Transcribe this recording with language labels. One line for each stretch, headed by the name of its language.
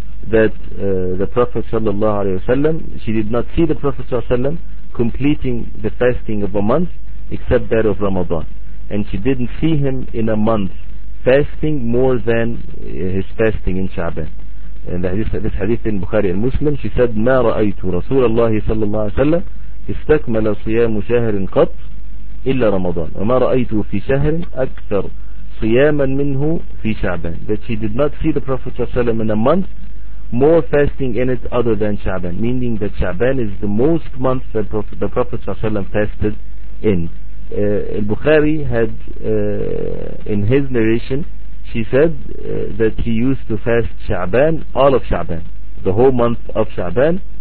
English: that the Prophet sallallahu alayhi wasallam, she did not see the Prophet sallallahu alayhi wasallam completing the fasting of a month except that of Ramadan, and she didn't see him in a month fasting more than his fasting in Sha'ban. And this hadith in Bukhari and Muslim, she said,
Arabic: ما رأيت رسول الله صلى الله عليه وسلم استكمل صيام شهر قط إلا رمضان وما رأيته في شهر أكثر صياما منه في شعبان.
English: That she did not see the Prophet ﷺ in a month more fasting in it other than Sha'ban, meaning that Sha'ban is the most month that the Prophet ﷺ fasted in. Al-Bukhari had in his narration, she said that he used to fast Sha'ban, all of Sha'ban, the whole month of Sha'ban.